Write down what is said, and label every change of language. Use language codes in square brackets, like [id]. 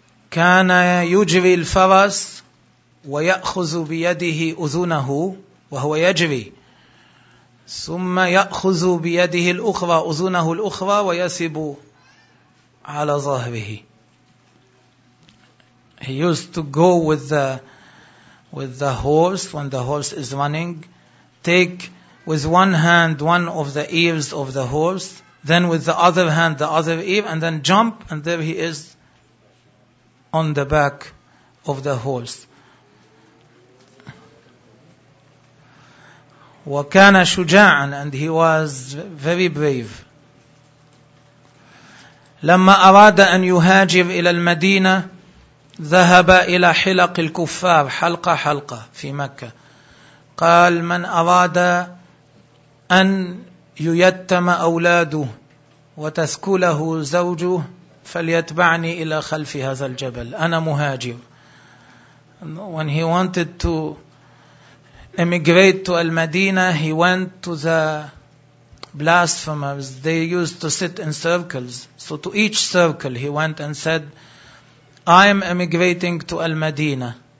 [ar] كان يجري الفرس ويأخذ بيده أذنه وهو يجري ثم يأخذ بيده الأخرى أذنه الأخرى ويسب على ظهره. [en] He used to go with the horse when the horse is running, take with one hand one of the ears of the horse, then with the other hand the other ear, and then jump, and there he is on the back of the horse. [ar] وَكَانَ شُجَاعًا, [en] and he was very brave. [ar] لَمَّا أَرَادَ أَنْ يُهَاجِرْ إِلَى الْمَدِينَةِ ذهب إلى حلق الكفار حلقة حلقة في مكة. قال من أراد أن ييتم أولاده وتسكله زوجه فليتبعني إلى خلف هذا الجبل, أنا مهاجر. [en] When he wanted to emigrate to Al-Madinah, he went to the blasphemers. They used to sit in circles. So to each circle he went and said, I am emigrating to Al-Madinah.